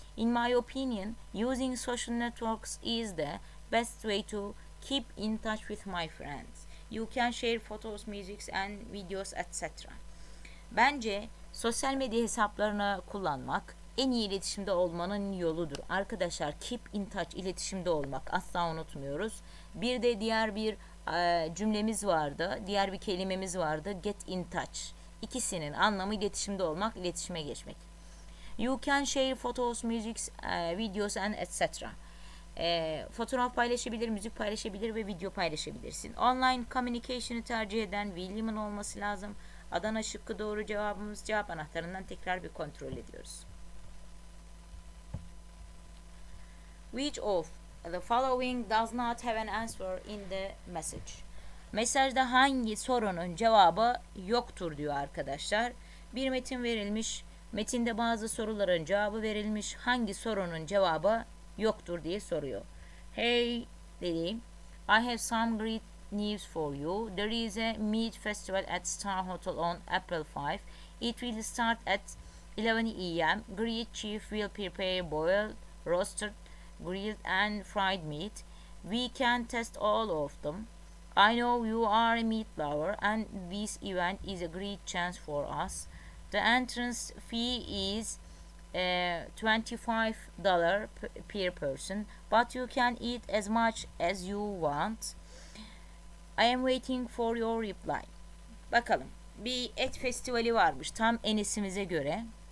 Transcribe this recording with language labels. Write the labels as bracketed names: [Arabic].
[English] In my opinion, using social networks is the best way to keep in touch with my friends. You can share photos, music and videos, etc. [Turkish] Bence sosyal medya hesaplarını kullanmak en iyi iletişimde olmanın yoludur. Arkadaşlar, [English] keep in touch, [Turkish] iletişimde olmak, asla unutmuyoruz. Bir de diğer bir cümlemiz vardı, diğer bir kelimemiz vardı, [English] get in touch. [Turkish] İkisinin anlamı iletişimde olmak, iletişime geçmek. [English] You can share photos, music, videos and etc. [Turkish] Fotoğraf paylaşabilir, müzik paylaşabilir ve video paylaşabilirsin. Online communication'ı tercih eden William'ın olması lazım. Adana şıkkı doğru cevabımız. Cevap anahtarından tekrar bir kontrol ediyoruz. [English] Which of the following does not have an answer in the message? [Turkish] Mesajda hangi sorunun cevabı yoktur diyor arkadaşlar. Bir metin verilmiş, metinde bazı soruların cevabı verilmiş. Hangi sorunun cevabı yoktur diye soruyor. [English] Hey dedi, I have some great news for you. There is a meat festival at Star Hotel on April 5. It will start at 11 a.m. Great chef will prepare boiled, roasted, grilled and fried meat. We can test all of them. I know you are a meat lover and this event is a great chance for us. The entrance fee is $25 per person, but you can eat as much as you want. I am waiting for your reply. [Turkish] Bakalım, bir et festivali varmış tam Enes'imize göre.